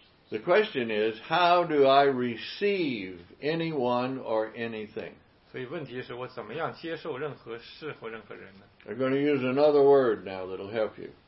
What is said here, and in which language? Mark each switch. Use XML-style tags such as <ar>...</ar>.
<en>The question is, how do I receive anyone or anything?</en> <zh>所以问题是我怎么样接受任何事或任何人呢</zh> <en>？I'm going to use another word now that'll help you.</en>